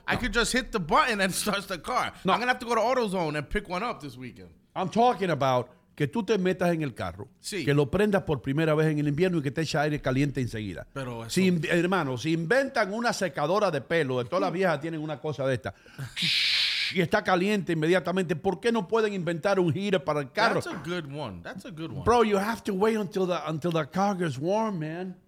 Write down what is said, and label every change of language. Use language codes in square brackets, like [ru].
[en] I could just hit the button and start the car. No. I'm going to have to go to AutoZone and pick one up this weekend. I'm talking about [es] que tú te metas en el carro. Sí. Que lo prendas por primera vez en el invierno y que te eche aire caliente enseguida. Pero eso... Si inventan una secadora de pelo, todas las viejas tienen una cosa de esta. Y está caliente inmediatamente. ¿Por qué no pueden inventar un heater para el carro? [en] That's a good one. Bro, you have to wait until the car gets warm, man.